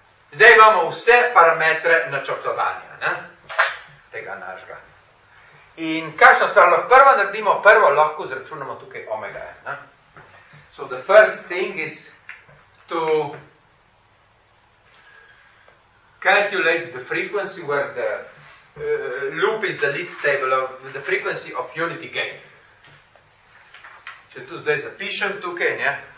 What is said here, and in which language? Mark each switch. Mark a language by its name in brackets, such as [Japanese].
[Slovenian] Zdaj imamo vse parametre načrtovanja, ne? Tega našega. In kakšno stvar lahko prvo naredimo? Prvo lahko zračunamo tukaj omega. Ne? [English] So the first thing is to calculate the frequency where the loop is the least stable of the frequency of unity gain. [Slovenian] Če tu zdaj zapišem tukaj, ne?